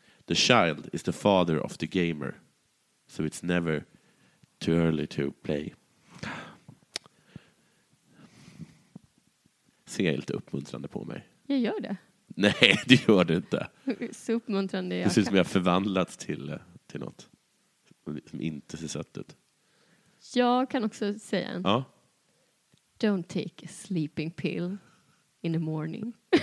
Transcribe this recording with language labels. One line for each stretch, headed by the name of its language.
English: The child is the father of the gamer. So it's never too early to play.
Swedish: Ser jag lite uppmuntrande på mig? Jag gör det. Nej, det gör det inte. Så uppmuntrande. Det ser ut som jag förvandlats till något som inte ser sött ut. Jag kan också säga en. Ja.
English: Don't take a sleeping pill in the morning.